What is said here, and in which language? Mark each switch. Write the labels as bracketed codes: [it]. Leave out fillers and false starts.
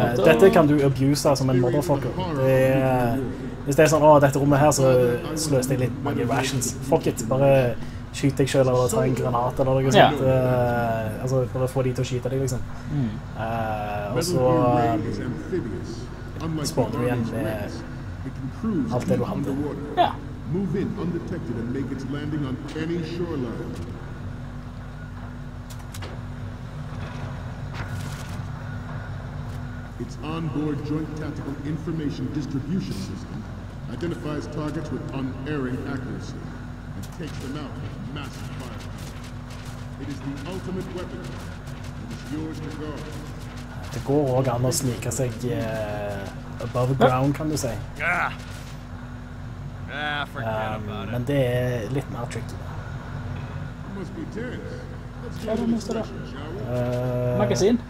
[no] Dette kan du abuse deg som en motherfucker. Det er, hvis det er sånn, åh, dette rommet her, så sløs det litt mange rations. Fuck it, bare skyte deg selv eller ta en granat eller noe sånt. Ja. Altså, bare få de til å skyte deg, liksom. Og så spawner du igjen med alt det du hadde. Ja. [en] Move in undetected and make its landing on any shoreline. Its onboard joint tactical information distribution system identifies targets with unerring accuracy and takes them out with massive fire. It is the ultimate weapon. It is yours to guard. [no] Det går også an å snike seg [en] above ground, [no] kan du si. [en] Yeah. [no] Men det er litt mer tricky. Hva er det neste da? Magasin?